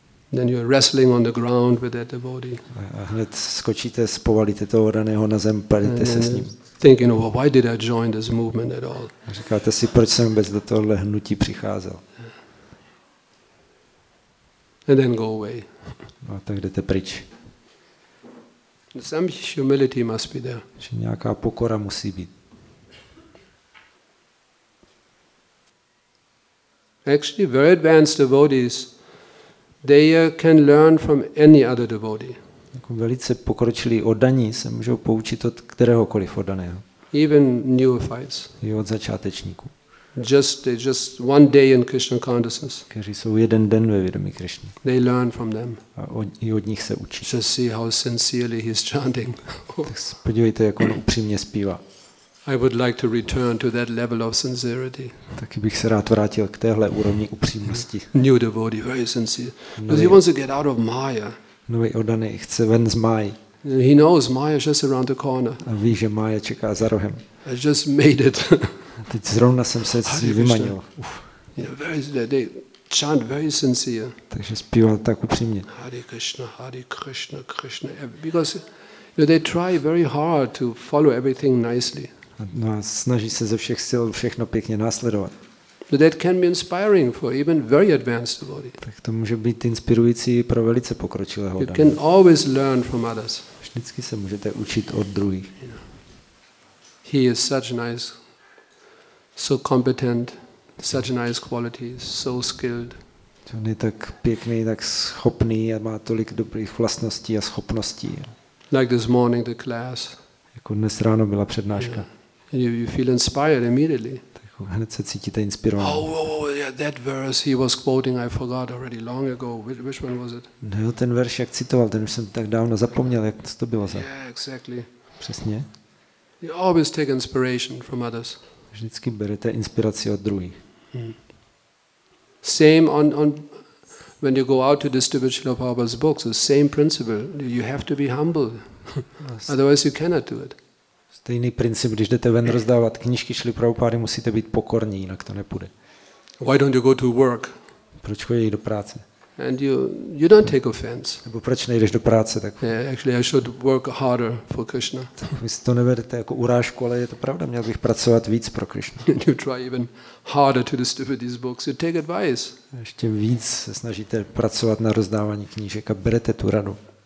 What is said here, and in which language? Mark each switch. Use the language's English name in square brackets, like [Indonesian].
[English] Then you're wrestling on the ground with that body. [Czech] A hned skočíte, spovalíte toho daného na zem, palíte se s ním. [English] Thinking, well, why did I join this movement at all? [Czech] A říkáte si, proč jsem vůbec do tohohle hnutí přicházel? [English] Yeah. And then go away. [Czech] No, a tak jdete pryč. [English] Some humility must be there. [Czech] Že nějaká pokora musí být. [English] Actually, very advanced devotees, they can learn from any other devotee. [Czech] Jako velice pokročilí oddaní se můžou poučit od kteréhokoliv oddaného. [English] Even neophytes. [Czech] I od začátečníků. [English] Just one day in Krishna consciousness. [Czech] Kteří jsou jeden den ve vědomí Krishny. [English] They learn from them. [Czech] A i od nich se učí. [English] Just see how sincerely he's chanting. [Czech] Tak se podívejte, jak on upřímně zpívá. [English] I would like to return to that level of sincerity. [Czech] Taky bych se rád vrátil k téhle úrovni upřímnosti. [English] New devotee, very sincere. Because he wants to get out of Maya. [Czech] Nový oddaný chce ven z Máji. [English] He knows Maya just around the corner. [Czech] A ví, že Maya čeká za rohem. [English] I just made it. [Czech] Teď zrovna jsem se si vymanil. [English] They chant very sincere. [Czech] Takže zpíval tak upřímně. [Sanskrit] Hare Krishna, Krishna. [English] Because you know, they try very hard to follow everything nicely. [Czech] No, snaží se ze všech sil všechno pěkně následovat. [English] So that can be inspiring for even very advanced body. [Czech] Tak to může být inspirující pro velice pokročilého [English] daně. You can always learn from others. [Czech] Vždycky se můžete učit od druhých. [English] He is such nice, so competent, such nice qualities, so skilled. [Czech] On je tak pěkný, tak schopný a má tolik dobrých vlastností a schopností. [English] Like this morning the class. [Czech] Jako dnes ráno byla přednáška. [English] You feel inspired immediately. [Czech] Hned se cítíte inspirovaný. [English] Oh, that verse he was quoting, I forgot already long ago. Which one was it? [Czech] No, ten verš, jak citoval, ten už jsem tak dávno zapomněl, jak to bylo za. [English] Yeah, exactly. [Czech] Přesně. [English] You always take inspiration from others. [Czech] Vždycky berete inspiraci od druhých. [English] Same on when you go out to distribute Srila Prabhupada's books, the same principle. You have to be humble. Otherwise you cannot do it. [Czech] Stejný princip, když jdete ven rozdávat knížky Šrily Prabhupády, musíte být pokorní, jinak to nepůjde. [English] Why don't you go to work? [Czech] Proč chodíš do práce? [English] And you don't take offense. [Czech] Nebo proč nejdeš do práce tak? [English] Yeah, actually I should work harder for Krishna. [Czech] Vy si to neberete jako urážku, ale je to pravda, měl bych pracovat víc pro Krishnu. [English] You try even harder to distribute these books. You take advice. [Czech] Ještě víc se snažíte pracovat na rozdávání knížek a berete tu radu.